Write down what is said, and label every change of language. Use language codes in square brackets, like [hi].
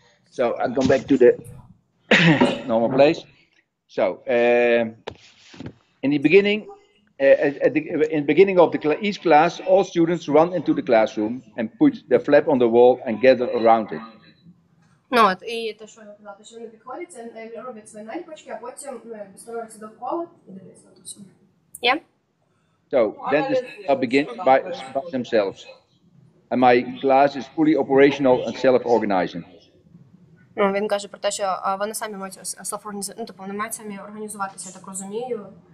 [en] So, I'll come back to the normal place. So, in the beginning of each class, all students run into the classroom and put their flap on the wall and gather around it. [uk] Ну, от, і те, що я казала, що вони підходять, роблять свої налічки, а потім, ну, становляться довкола і дивляться на то. [en] Yeah. So dentists are begin by themselves. And my class is fully operational and self-organizing. [uk] Він каже про те, що вони самі мають self-organize, ну, тобто вони мають самі організуватися, я так розумію.